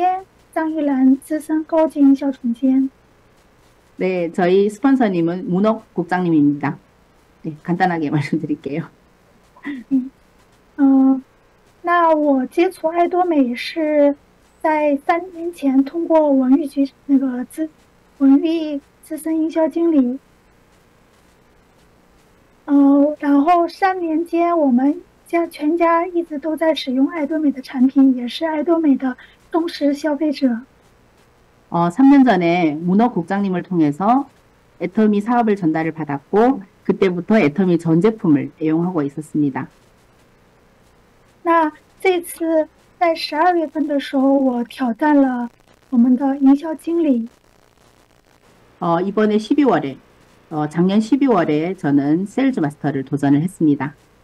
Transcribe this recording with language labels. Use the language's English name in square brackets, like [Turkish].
[Chinese] 我的指导老师是朴峰俊、李敏和高级经理、高级营销经理，还有文玉资深营销经理，还有张艺金营销总监、张一兰资深高级营销总监。 [Korean] 네, 저희 스폰서님은 문옥 국장님입니다. 네, 간단하게 말씀드릴게요. [Chinese] 那我接触爱多美是 在三年前通过文玉局那个资文玉资深营销经理，然后三年间我们家全家一直都在使用爱多美的产品，也是爱多美的忠实消费者。 [Korean] 3년 전에 문어 국장님을 통해서 애터미 사업을 전달을 받았고 그때부터 애터미 전 제품을 애용하고 있었습니다. [Chinese] 那这次 在12月份的时候，我挑战了我们的营销经理。 [Korean] 이번에 12월에, 작년 12월에 저는 세일즈 마스터를 도전을 했습니다.